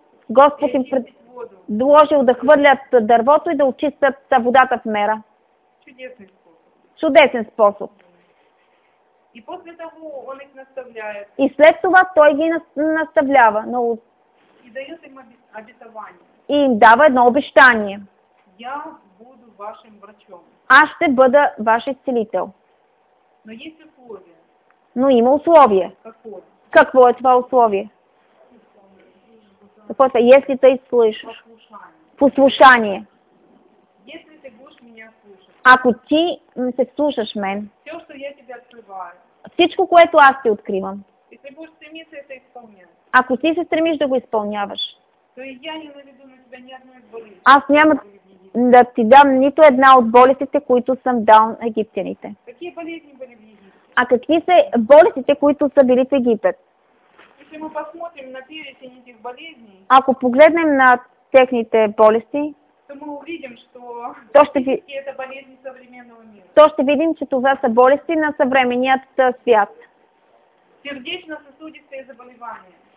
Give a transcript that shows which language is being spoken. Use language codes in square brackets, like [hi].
[bg] Господ им предложил да хвърлят дървото и да очистят водата в мера. [ru] Чудесен способ. [bg] Чудесен способ. [ru] И после того он их наставляет. [bg] И след това той ги наставлява. [ru] Но... И дает им обетование. [bg] И им дава едно обещание. [ru] Я буду вашим врачом. [bg] Аз ще бъда ваш изцелител. [ru] Но есть условия. [bg] Но има условия. Какво? Какво е това условие? Какво е това? [ru] Если ты слышишь. [bg] Послушание. [ru] Если ты будешь меня слушать. [bg] Ако ти се слушаш мен. [ru] Все, что я тебе открываю. [bg] Всичко, което аз ти откривам. [ru] И ты будешь стремиться это исполнять. [bg] Ако ти се стремиш да го изпълняваш. [ru] То и я не наведу на тебя ни одной из болезней. [bg] Аз няма да ти дам нито една от болестите, които съм дал на египтяните. [ru] Какие болезни были в Египте? [bg] А какви са болестите, които са били в Египет? [ru] Если мы посмотрим на перечень этих болезней, [bg] ако погледнем на техните болести, [ru] то мы увидим, что то ще это болезни современного мира. [bg] То ще видим, че това са болести на съвременният свят. [ru] Сърдечно-съсудистые заболевания.